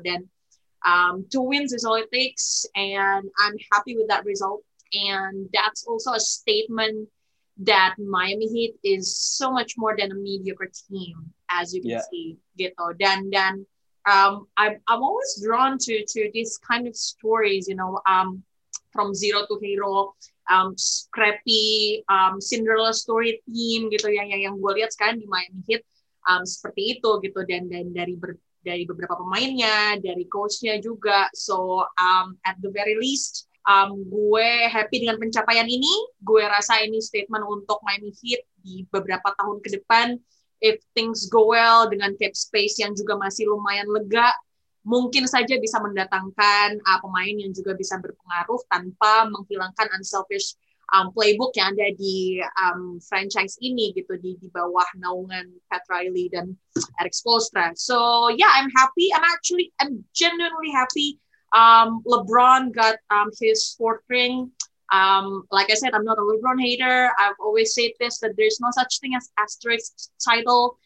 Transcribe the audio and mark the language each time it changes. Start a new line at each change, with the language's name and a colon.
English: Dan two wins is all it takes, and I'm happy with that result, and that's also a statement that Miami Heat is so much more than a mediocre team, as you can see, gitu. Dan I'm always drawn to this kind of stories, you know, from zero to hero, scrappy, Cinderella story team, gitu.
Indonesian: Yang gue lihat sekarang di Miami Heat seperti itu, gitu. Dan dari beberapa pemainnya, dari coachnya juga.
English: So at the very least,
Indonesian: gue
English: happy
Indonesian: dengan pencapaian ini. Gue rasa ini statement untuk Miami Heat di beberapa tahun ke depan.
English: If things go well
Indonesian: dengan cap space yang juga masih lumayan lega, mungkin saja bisa mendatangkan pemain yang juga bisa berpengaruh tanpa menghilangkan unselfish playbook yang ada di franchise ini, gitu, di bawah naungan Pat Riley dan Eric Spoelstra.
English: So yeah, I'm happy. I'm genuinely happy. LeBron got his fourth ring. Like I said, I'm not a LeBron hater. I've always said this, that there's no such thing as asterisk title.